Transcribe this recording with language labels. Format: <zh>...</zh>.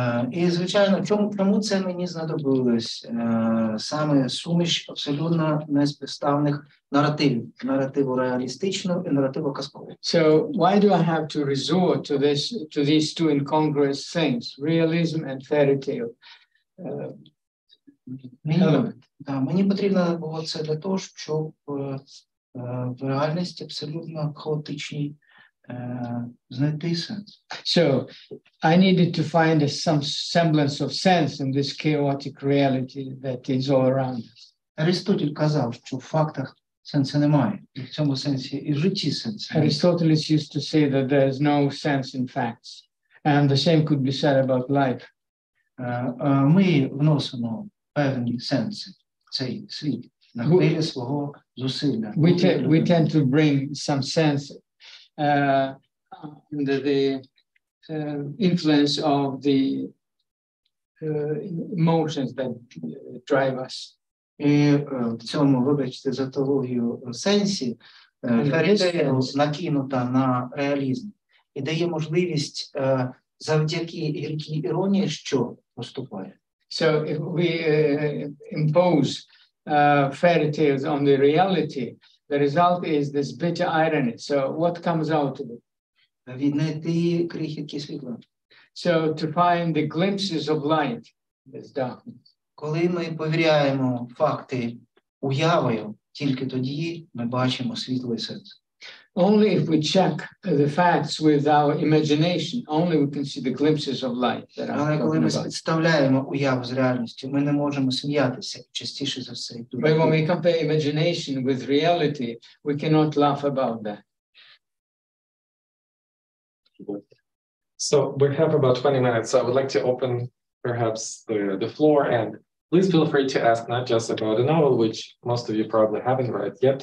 <uk>І, звичайно, чому це мені знадобилось? Саме суміш абсолютно неспівставних наративів. Наративу реалістичну і наративу казкову.</uk> <en>So why do I have to resort to this, to these two incongruous things? Realism and fairy tale.</en> <uk>Мені потрібно було це для того, щоб в реальності абсолютно хаотичній знайти сенс.</uk> <en>So, I needed to find some semblance of sense in this chaotic reality that is all around us.</en> <uk>Аристотель казав, що в фактах сенсу немає. І в цьому сенсі і в житті сенсу.</uk> <en>Aristotle used to say that there is no sense in facts. And the same could be said about life.</en> <uk>Ми вносимо певні сенси в цей світ на хвилі свого зусилля.</uk> <en>We tend to bring some sense under the influence of the emotions that drive us.</en> <uk>І в цьому, вибачте за тавтологію сенсі, фарітею накинута на реалізм і дає можливість завдяки гіркій іронії, що поступає.</uk> <en>So if we impose fairy tales on the reality, the result is this bitter irony. So what comes out of it?</en> <uk>Віднайти крихітки світла.</uk> <en>So to find the glimpses of light in this darkness.</en> <uk>Коли ми повіряємо факти уявою, тільки тоді ми бачимо світлий сенс.</uk> <en>Only if we check the facts with our imagination, only we can see the glimpses of light.</en> <uk>Але коли ми співставляємо уяву з реальністю, ми не можемо сміятися частіше за все.</uk> <en>But when we compare imagination with reality, we cannot laugh about that. So we have about 20 minutes. So I would like to open perhaps the floor, and please feel free to ask not just about a novel, which most of you probably haven't read yet.</en>